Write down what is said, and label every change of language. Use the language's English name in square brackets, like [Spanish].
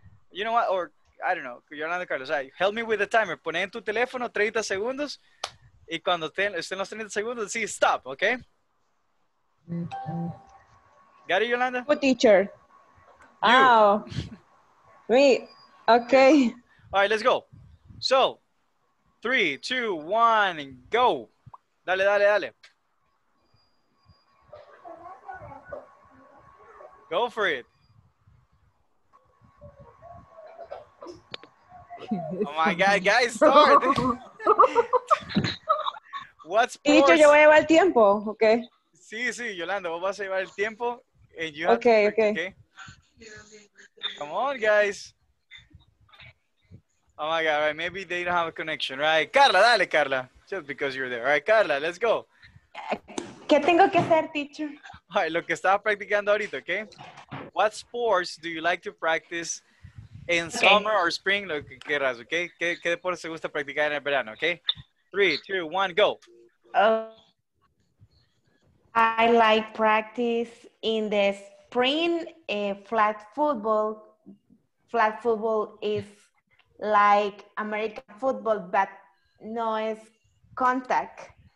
[English] You know what, or I don't know, Yolanda Carlos. Right. Help me with the timer. [Spanish] Pon en tu teléfono 30 segundos. Y cuando estén los 30 segundos, sí, stop, okay? [English] Mm-hmm. Got it, Yolanda? Good teacher. You. Oh, me, okay. All right, let's go. So, 3, 2, 1, go. Dale. Go for it. Oh my God, guys, start. What sports? [Spanish] Teacher, yo voy a llevar el tiempo, okay. Sí, Yolanda, vos vas a llevar el tiempo. [English] And you okay, have to okay. Come on, guys. Oh my God, right? Maybe they don't have a connection, right? Carla, dale, Carla. Just because you're there. All right, Carla, let's go. [Spanish] ¿Qué tengo que hacer, teacher? All right, lo que estaba practicando ahorita, okay? [English] What sports do you like to practice in okay. Summer or spring? [Spanish] Lo que quieras, [English] okay? [Spanish] ¿Qué deportes te gusta practicar en el verano, okay? 3, 2, 1, go. [English] I like practice in the spring flag football. Flag football is like American football, but no es contact.